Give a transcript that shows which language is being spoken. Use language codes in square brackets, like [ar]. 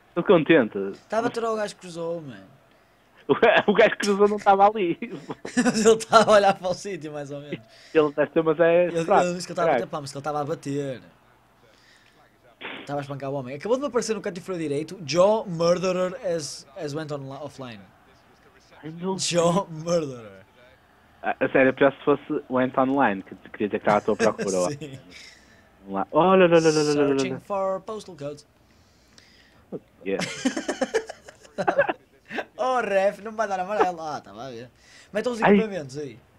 [pt] Estou contente. Estava a ter o gajo que cruzou, mano. O gajo que cruzou não estava ali. Mas ele estava a olhar para o sítio, mais ou menos. Ele deve ter, mas é. Ele disse que ele estava a bater, mas que ele estava a bater. Estava a espancar o homem. Acabou de me aparecer no canto inferior direito. [en] Joe Murderer as went on offline. Joe Murderer. [pt] A sério, pior se fosse went online, que queria dizer que estava à tua procura. Sim. Vamos lá. Olha. [en] Searching for postal codes. Yeah. [pt] Oh, ref, não vai dar amarelo. Ah, tá, vai ver. Metam os equipamentos aí.